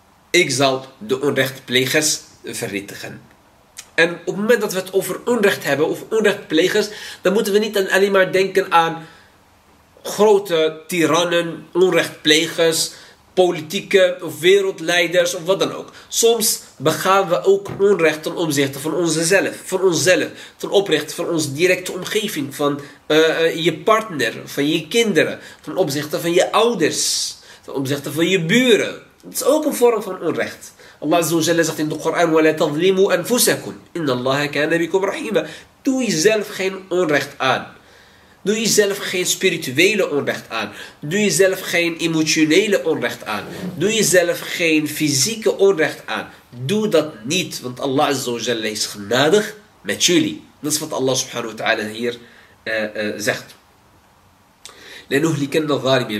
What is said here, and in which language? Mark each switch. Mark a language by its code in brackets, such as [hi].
[nl] Ik zal de onrechtplegers vernietigen. En op het moment dat we het over onrecht hebben, of onrechtplegers, dan moeten we niet alleen maar denken aan grote tirannen, onrechtplegers, politieke of wereldleiders of wat dan ook. Soms begaan we ook onrecht ten opzichte van onszelf, ten opzichte van onze directe omgeving, van je partner, van je kinderen, ten opzichte van je ouders, ten opzichte van je buren. Het is ook een vorm van onrecht. Allah Azzawajal zegt in de Koran, [ar] وَلَا تَظْلِمُوا أَنفُسَكُمْ إِنَّ اللَّهَ كَانَ بِكُمْ رَحِيمًا. [nl] Doe jezelf geen onrecht aan. Doe jezelf geen spirituele onrecht aan. Doe jezelf geen emotionele onrecht aan. Doe jezelf geen fysieke onrecht aan. Doe dat niet, want Allah Azzawajal is genadig met jullie. Dat is wat Allah subhanahu wa ta'ala hier zegt. [ar] لَنُهْلِكَنَّ الظَّالِمِينَ.